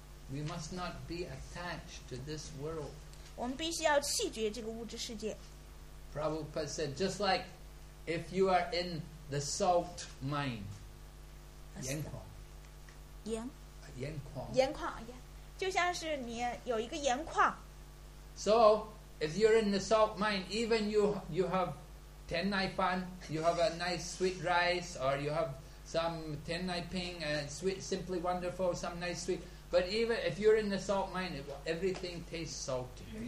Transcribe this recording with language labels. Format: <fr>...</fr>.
<en>We must not be attached to this world.</en> <zh>我们必须要弃绝这个物质世界。</zh> <en>Prabhupada said, just like if you are in the salt mine,</en> <zh>盐矿，就像是你有一个盐矿。</zh> <en>So if you're in the salt mine, even you have ten nai fan, you have a nice sweet rice, or you have some ten nai ping, sweet, simply wonderful, some nice sweet. But even if you're in the salt mine, everything tastes salty.</en>